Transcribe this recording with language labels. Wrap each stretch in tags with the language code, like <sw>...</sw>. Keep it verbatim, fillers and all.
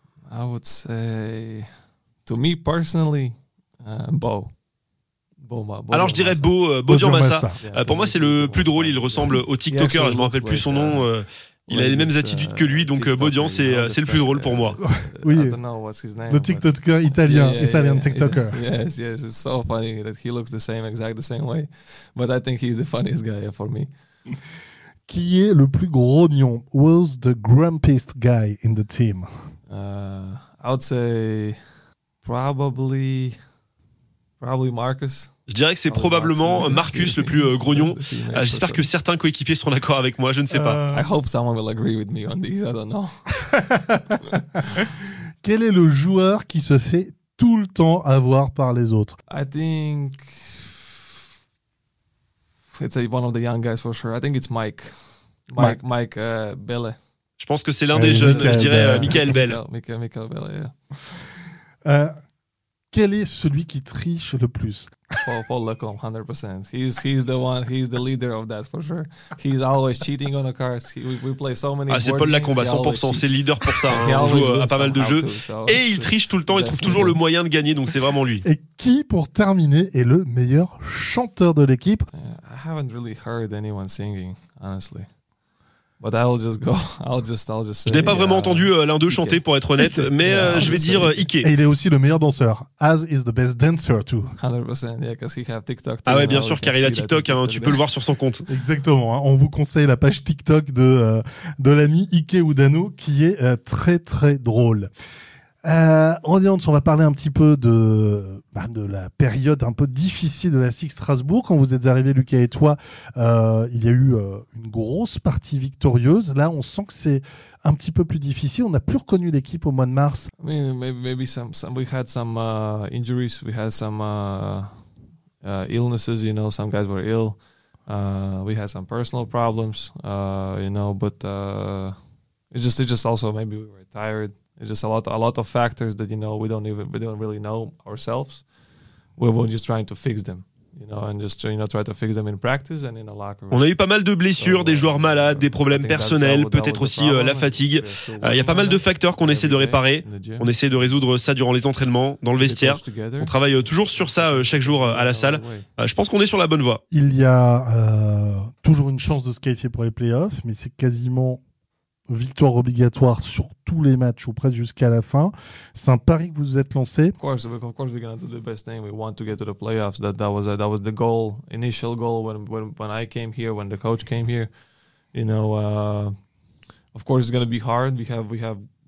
<en>I would say, to me personally, uh, Bo.</en> <fr>Bon, bah, bon, alors je dirais Bo, Bo Diambassa. Euh, pour moi c'est le plus drôle, il ressemble au TikToker, je me rappelle plus son nom, euh, il a les mêmes attitudes que lui, donc Bo Dian c'est, c'est le plus drôle pour moi. Oui, le TikToker italien, italien TikToker.</fr> <en>Yes, yes, it's so funny that he looks the same, exact the same way, but I think he's the funniest guy for me.</en> <fr>Qui est le plus grognon?</fr> <en>Who's the grumpiest guy in the team? Uh, I would say probably, probably Marcus.</en> <fr>Je dirais que c'est probablement Marcus le plus euh, grognon. Euh, j'espère que certains coéquipiers seront d'accord avec moi, je ne sais pas.</fr> <en>I hope someone will agree with me on these, I don't know.</en> <fr>Quel est le joueur qui se fait tout le temps avoir par les autres?</fr> <en>I think it's one of the young guys for sure. I think it's Mike. Mike, Mike, Mike uh, Belle.</en> <fr>Je pense que c'est l'un des euh, jeunes, Michael, je dirais euh, Michael Bell.</fr> <en>Michael, Michael Bell, yeah.</en> <fr>Euh, Quel est celui qui triche le plus?</fr> <en>Paul, Paul Lacombe, one hundred percent. He's he's the one. He's the leader of that for sure. He's always cheating on the cards. He, we, we play so many.</en> <fr>Ah, c'est Paul Lacombe à cent pour cent. C'est leader pour ça. Hein. Il joue à pas mal de jeux too, so et il triche tout le temps. Il trouve toujours le moyen de gagner. Donc c'est vraiment lui. Et qui, pour terminer, est le meilleur chanteur de l'équipe?</fr> <en>Yeah, I haven't really heard anyone singing, honestly. But I'll just go. I'll just, I'll just say,</en> <fr>je n'ai pas vraiment uh, entendu uh, l'un d'eux chanter, pour être honnête, mais yeah, uh, je vais dire uh, Ike. Et il est aussi le meilleur danseur.</fr> <en>As is the best dancer too. one hundred percent, yeah, because he have TikTok.</en> <fr>Ah ouais, bien sûr, car il a TikTok, hein, tu peux le voir sur son compte. Exactement, hein, on vous conseille la page TikTok de, euh, de l'ami Ike Udano, qui est euh, très très drôle. Euh, Rodiant, on va parler un petit peu de, bah, de la période un peu difficile de la S I X Strasbourg. Quand vous êtes arrivés, Lucas et toi, euh, il y a eu euh, une grosse partie victorieuse. Là, on sent que c'est un petit peu plus difficile. On n'a plus reconnu l'équipe au mois de mars.</fr> <en>I mean, maybe, maybe some, some, we had some uh, injuries, we had some uh, uh, illnesses. You know, some guys were ill. Uh, we had some personal problems. Uh, you know, but uh, it just, it just also maybe we were tired. It's just a lot, a lot of factors that, you know, we don't even, we don't really know ourselves. We were just trying to fix them, you know, and just, you know, try to fix them in practice and in a locker room.</en> <fr>On a eu pas mal de blessures, so, des joueurs malades, des problèmes personnels, that, that peut-être aussi uh, la fatigue. Il uh, y a pas mal de facteurs qu'on essaie de réparer. On essaie de résoudre ça durant les entraînements, dans le vestiaire. On travaille toujours sur ça uh, chaque jour uh, à la salle. Uh, je pense qu'on est sur la bonne voie. Il y a euh, toujours une chance de se qualifier pour les playoffs, mais c'est quasiment victoire obligatoire sur tous les matchs ou presque jusqu'à la fin. C'est un pari que vous vous êtes lancé.</fr> <en>Of course, of course we're going to do the best thing. We want to get to the playoffs. That that was a, that was the goal, initial goal when when when I came here, when the coach came here. You know, uh, of course it's going to be hard. We have we have</en>